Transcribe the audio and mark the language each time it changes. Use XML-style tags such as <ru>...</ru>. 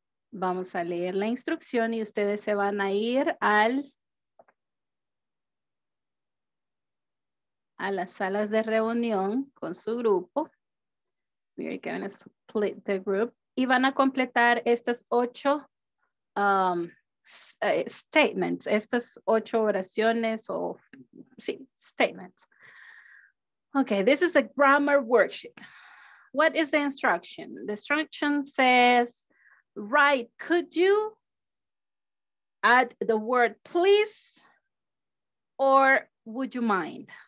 <es>Vamos a leer la instrucción y ustedes se van a ir a las salas de reunión con su grupo.</es> <en>We are going to split the group.</en> <es>Y van a completar estas 8 statements, estas 8 oraciones o, sí, statements.</es> <en>Okay, this is a grammar worksheet. What is the instruction? The instruction says, write, could you add the word please or would you mind?</en>